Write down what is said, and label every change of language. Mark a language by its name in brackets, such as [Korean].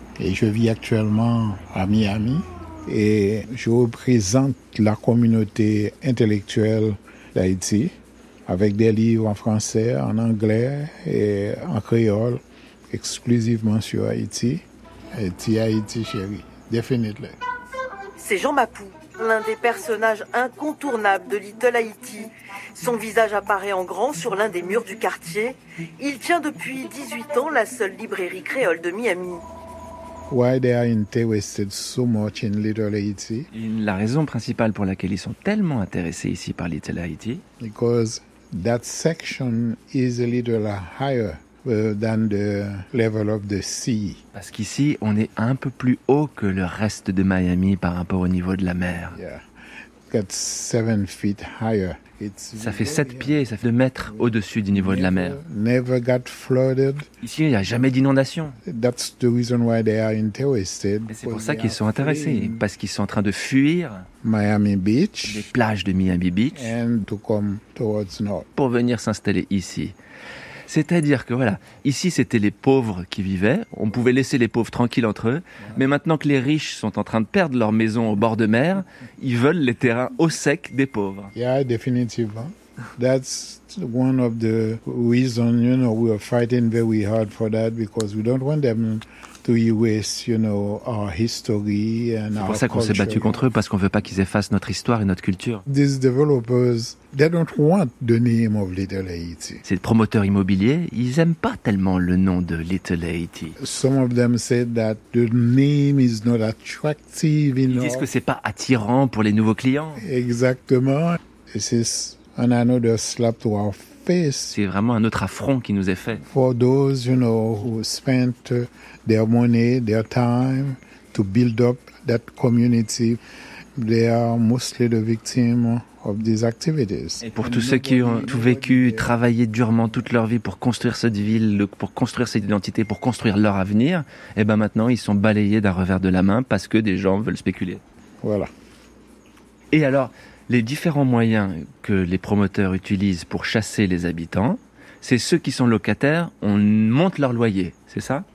[French] Et je vis actuellement à Miami. Et je représente la communauté intellectuelle d'Haïti avec des livres en français, en anglais et en créole, exclusivement sur Haïti. Haïti, Haïti, chérie, définitely. C'est Jean Mapou, l'un des personnages incontournables de Little Haiti. Son visage apparaît en grand sur l'un des murs du quartier. Il tient depuis 18 ans la seule librairie créole de Miami. [English] Why they are interested so much in Little Haiti? [French] La raison principale pour laquelle ils sont tellement intéressés ici par Little Haiti? [English] Because that section is a little higher than the level of the sea. [French] Parce qu'ici, on est un peu plus haut que le reste de Miami par rapport au niveau de la mer. [English] Yeah, that's 7 feet higher. [French] Ça fait 7 pieds, ça fait 2 mètres au-dessus du niveau de la mer. [English] Never got flooded. [French] Ici, il n'y a jamais d'inondation. [English] That's the reason why they are interested. [French] Et c'est pour ça qu'ils sont intéressés, parce qu'ils sont en train de fuir [English] Miami Beach, [French] les plages de Miami Beach, [English] and to come towards north. [French] Pour venir s'installer ici. C'est-à-dire que voilà, ici c'était les pauvres qui vivaient, on pouvait laisser les pauvres tranquilles entre eux, mais maintenant que les riches sont en train de perdre leur maison au bord de mer, ils veulent les terrains au sec des pauvres. [English] Yeah, definitely. That's one of the reasons, you know, we are fighting very hard for that because we don't want them to erase, you know, our history and our culture. [French] C'est pour ça qu'on s'est battu contre eux, parce qu'on veut pas qu'ils effacent notre histoire et notre culture. [English] These developers, they don't want the name of Little Haiti. [French] Ces promoteurs immobiliers, ils aiment pas tellement le nom de Little Haiti. [English] Some of them said that the name is not attractive enough. [French] Ils disent que c'est pas attirant pour les nouveaux clients. Exactement. [English] And another slap to our face. [French] C'est vraiment un autre affront qui nous est fait. [English] For those, you know, who spent their money, their time to build up that community, they are mostly the victim of these activities. [French] Et pour tous ceux qui ont tout vécu, travaillé durement toute leur vie pour construire cette ville, pour construire cette identité, pour construire leur avenir, et ben maintenant ils sont balayés d'un revers de la main parce que des gens veulent spéculer. Voilà. Et alors, les différents moyens que les promoteurs utilisent pour chasser les habitants, c'est ceux qui sont locataires, on monte leur loyer, c'est ça?